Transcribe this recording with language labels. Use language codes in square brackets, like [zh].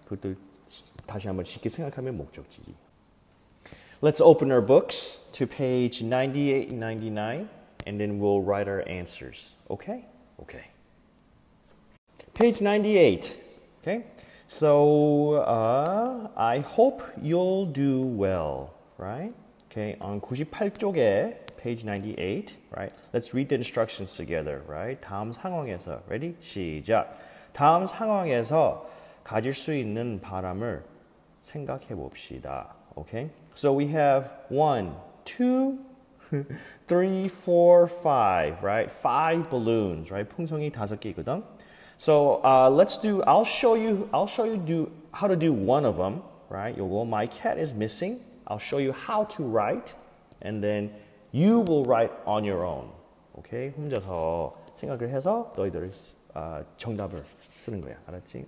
[ko] 그것도 다시 한번 쉽게 생각하면 목적지지. [en] Let's open our books to page 98 and 99, and then we'll write our answers, okay? Okay. Page 98, okay? So, I hope you'll do well, right? Okay, on [ko] 98쪽에, [en] page 98, right? Let's read the instructions together, right? [ko] 다음 상황에서, [en] ready? [ko] 시작! 다음 상황에서 가질 수 있는 바람을 생각해 봅시다, okay? [en] So we have 1, 2, 3, 4, 5, right? 5 balloons, right? [ko] 풍선이 다섯 개거든. [en] So I'll show you how to do one of them, right? You'll go, my cat is missing. I'll show you how to write, and then you will write on your own, okay? [ko] 혼자서 생각을 해서 너희들 정답을 쓰는 거야, 알았지?